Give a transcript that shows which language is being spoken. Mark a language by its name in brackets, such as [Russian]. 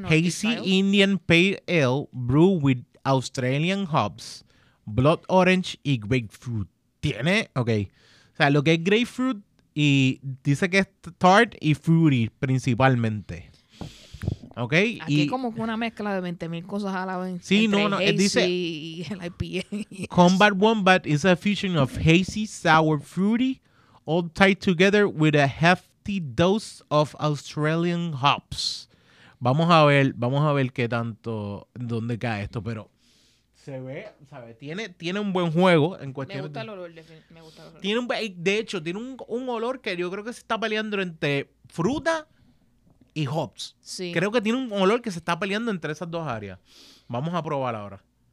[English] hazy style. Indian pale ale brew with Australian hops, blood orange y grapefruit. [Spanish] Tiene, ok. O sea, lo que es grapefruit y dice que es tart y fruity principalmente. Ok. Aquí y, es como una mezcla de 20,000 cosas a la vez. Sí, no. Hazy dice, y el IPA. [English] Combat Wombat is a fusion of hazy, sour, fruity, all tied together with a hefty dose of Australian hops. [Spanish] Vamos a ver qué tanto, dónde cae esto, pero se ve, ¿sabes? Tiene un buen juego en cuestión. Me gusta el olor. Tiene un olor que yo creo que se está peleando entre fruta y hops. Sí. Creo que tiene un olor que se está peleando entre esas dos áreas. Vamos a probar ahora.